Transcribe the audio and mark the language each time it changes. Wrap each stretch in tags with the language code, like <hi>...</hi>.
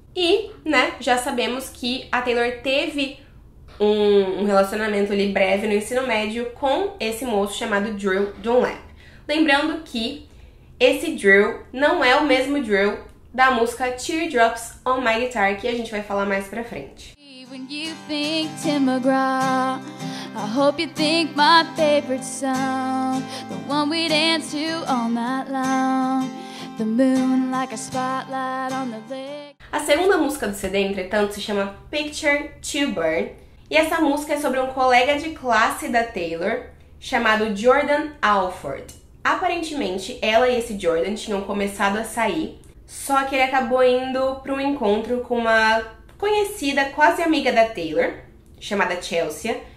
<pt>E, né, já sabemos que a Taylor teve um relacionamento ali breve no ensino médio com esse moço chamado Drill Dunlap. Lembrando que esse Drill não é o mesmo Drill da música Teardrops on My Guitar, que a gente vai falar mais pra frente.</pt> <en>When you think Tim McGraw, I hope you think my favorite song, the one we dance to all night long, the moon like a spotlight on the lake.</en> <pt>A segunda música do CD, entretanto, se chama Picture to Burn. E essa música é sobre um colega de classe da Taylor, chamado Jordan Alford. Aparentemente, ela e esse Jordan tinham começado a sair, só que ele acabou indo para um encontro com uma conhecida, quase amiga da Taylor, chamada Chelsea.</pt>